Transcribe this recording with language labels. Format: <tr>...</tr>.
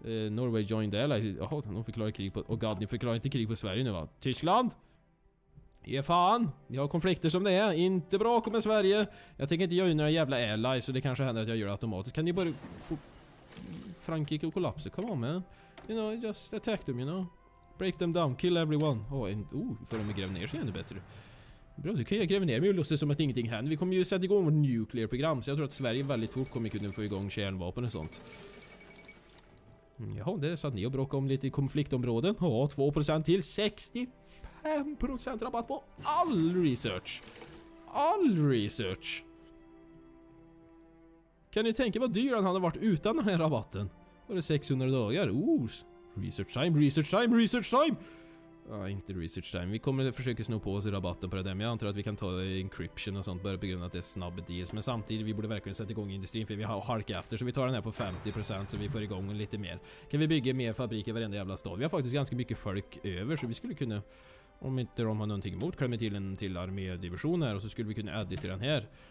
<en>Norway joined allies.</en> <sv>Jaha, de förklarar krig på...</sv> <en>Oh god,</en> <sv>ni förklarar inte krig på Sverige nu va? Tyskland? Ja fan, ni har konflikter som det är. Inte bra kommer Sverige. Jag tänker inte göra några jävla allies så det kanske händer att jag gör det automatiskt. Kan ni bara få Frankrike och kollapsa?</sv> <en>Come on man. You know, just attack them, you know. Break them down, kill everyone.</en> <sv>Åh, får de gräva ner sig ännu bättre. Bra, du kan ju gräva ner mig och låtsa som att ingenting händer. Vi kommer ju sätta igång vårt nuclear program så jag tror att Sverige väldigt fort kommer kunna få igång kärnvapen och sånt. Jaha, det är så att ni har bråkat om lite konfliktområden. Ja, 2% till 65% rabatt på all research. All research. Kan ni tänka vad dyr han har varit utan den här rabatten? Var det 600 dagar?</sv> <en>Oh, research time, research time, research time!</en> <sv>Ja, inte research time. Vi kommer försöka sno på oss rabatten på det där. Men jag antar att vi kan ta encryption och sånt bara på grund av att det är snabba deals. Men samtidigt, vi borde verkligen sätta igång industrin för vi har halka efter. Så vi tar den här på 50% så vi får igång lite mer. Kan vi bygga mer fabriker i varenda jävla stad? Vi har faktiskt ganska mycket folk över så vi skulle kunna, om inte de har någonting emot, klämma till en till armédivision här. Och så skulle vi kunna addit till den här.</sv>